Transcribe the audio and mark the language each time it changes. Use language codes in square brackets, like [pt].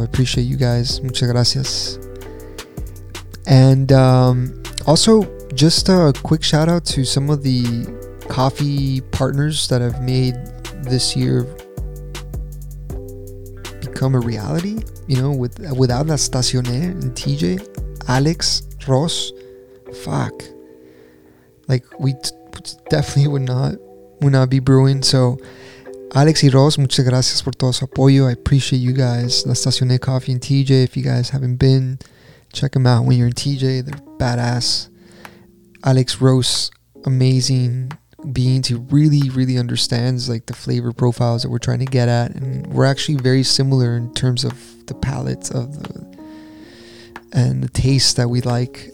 [en] I appreciate you guys. [es] Muchas gracias. [en] And also just a quick shout out to some of the coffee partners that have made this year become a reality, you know, without La Estacionaire and TJ, Alex, Ross, fuck, like we definitely would not be brewing. [es] So Alex y Ross, muchas gracias por todo su apoyo. [en] I appreciate you guys. La Estacionaire Coffee and TJ, if you guys haven't been, check them out when you're in TJ. They're badass. Alex Ross, amazing beings. He really, really understands like the flavor profiles that we're trying to get at, and we're actually very similar in terms of the palates of the taste that we like.